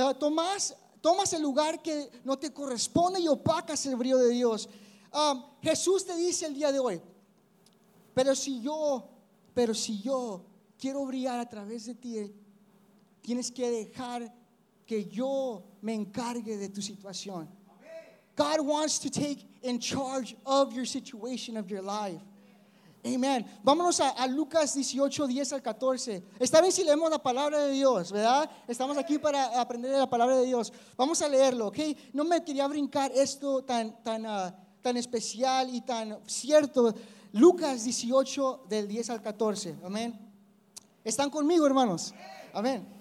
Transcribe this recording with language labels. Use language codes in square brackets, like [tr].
[es] Tomas el lugar que no te corresponde y opacas el brillo de Dios. Jesús te dice el día de hoy, pero si yo quiero brillar a través de ti, tienes que dejar que yo me encargue de tu situación. [en] God wants to take in charge of your situation, of your life. [es] Amen. Vámonos a Lucas 18, 10 al 14. Está bien si leemos la palabra de Dios, ¿verdad? Estamos aquí para aprender la palabra de Dios. Vamos a leerlo, ¿ok? No me quería brincar esto tan especial y tan cierto. Lucas 18, del 10 al 14. Amén. ¿Están conmigo, hermanos? Amén.